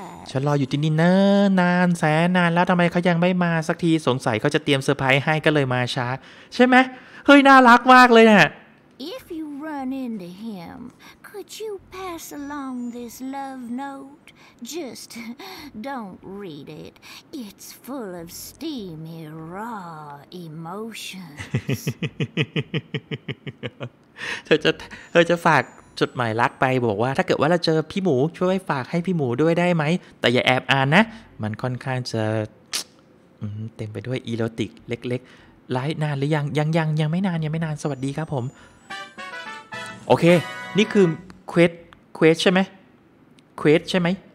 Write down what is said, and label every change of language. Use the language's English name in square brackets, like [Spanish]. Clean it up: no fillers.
[Thai] ฉันรออยู่ที่นี่นานนานแสนนานแล้วทำไมเขายังไม่มาสักทีสงสัยเขาจะเตรียมเซอร์ไพรส์ให้ก็เลยมาช้าใช่ไหมเฮ้ยน่ารักมากเลยเนี่ย [English] If you run into him, could you pass along this love note? Just don't read it. It's full of steamy raw emotions. [Thai] เธอจะฝากจดหมายรักไปบอกว่าถ้าเกิดว่าเราเจอพี่หมูช่วยฝากให้พี่หมูด้วยได้ไหมแต่อย่าแอบอ่านนะมันค่อนข้างจะเต็มไปด้วยอีโรติกเล็กๆหลายนานหรือยังไม่นานยังไม่นานสวัสดีครับผมโอเคนี่คือเควสใช่ไหมเควสใช่ไหม